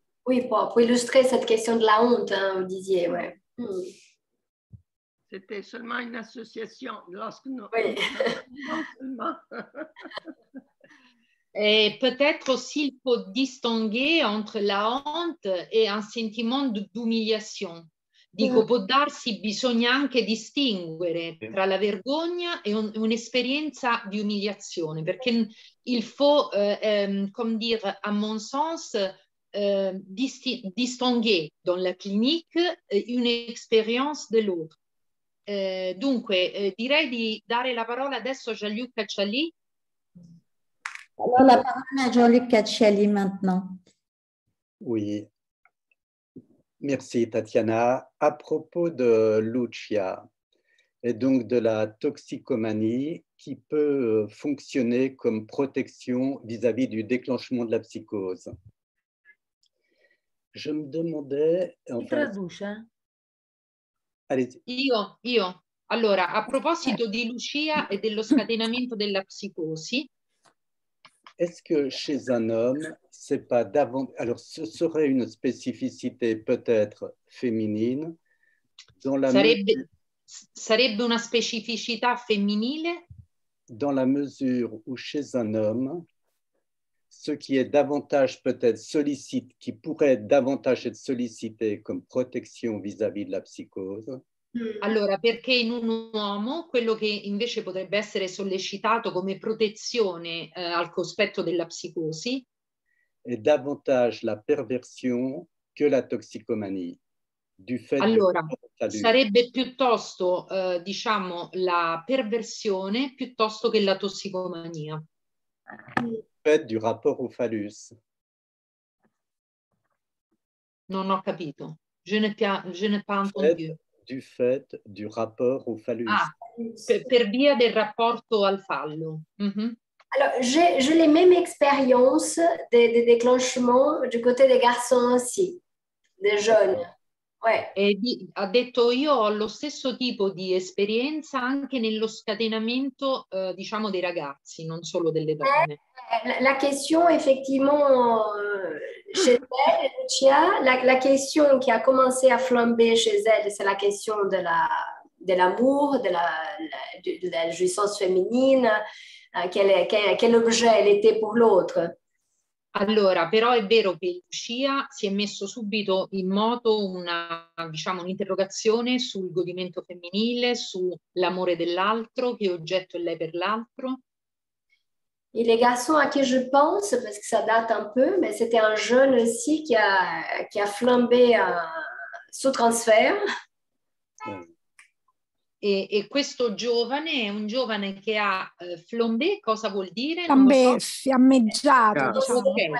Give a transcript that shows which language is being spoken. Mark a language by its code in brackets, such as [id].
[fr] Oui, pour illustrer cette question de la honte, hein, vous disiez, ouais. Mm. C'était seulement une association. Lorsque nous... Oui. Et peut-être aussi il faut distinguer entre la honte et un sentiment d'humiliation. [it] Dico, può darsi, bisogna anche distinguere tra la vergogna e un'esperienza di umiliazione, perché [fr] il faut, comme dire, à mon sens, distinguer dans la clinique une expérience de l'autre. [it] Dunque, direi di dare la parola adesso a Jean-Luc Cacciali. Allora, la parola a Jean-Luc Cacciali maintenant. [fr] Oui. Merci Tatiana. À propos de Lucia et donc de la toxicomanie qui peut fonctionner comme protection vis-à-vis du déclenchement de la psychose. Je me demandais... Enfin... Traduce, hein? Allez-y. [it] Io. Allora, a proposito di Lucia e dello scatenamento della psicosi. [fr] Est-ce que chez un homme, c'est pas davantage... Alors, ce serait une spécificité peut-être féminine dans la [it] sarebbe una specificità femminile [fr] dans la mesure où chez un homme, ce qui est davantage peut-être sollicité, qui pourrait davantage être sollicité comme protection vis-à-vis de la psychose. [it] Allora, perché in un uomo quello che invece potrebbe essere sollecitato come protezione al cospetto della psicosi è davantage la perversione che la toxicomanie. [fr] Du fait [it] allora, sarebbe piuttosto, diciamo, la perversione piuttosto che la tossicomania. [fr] Fait du rapport au phallus. [it] Non ho capito. [fr] Je ne pas entendu. Du fait du rapport au phallus. [it] Ah, per via del rapporto al fallo. Mm-hmm. [fr] Alors, j'ai les mêmes expériences de déclenchement du côté des garçons aussi, des jeunes. Ouais. [it] Ha detto, io ho lo stesso tipo di esperienza anche nello scatenamento, diciamo, dei ragazzi, non solo delle donne. [fr] La question, effectivement, chez elle, Lucia, la question qui a commencé à flamber chez elle, c'est la question de l'amour, de la jouissance féminine, quel objet elle était pour l'autre. [it] Allora, però è vero che Lucia si è messo subito in moto una, diciamo, un'interrogazione sul godimento femminile, sull'amore dell'altro, che oggetto è lei per l'altro. [fr] Et les garçons à qui je pense, parce que ça date un peu, mais c'était un jeune aussi qui a flambé sous transfert. [it] E questo giovane è un giovane che ha flambé, cosa vuol dire? Flambé, fiammeggiato, diciamo.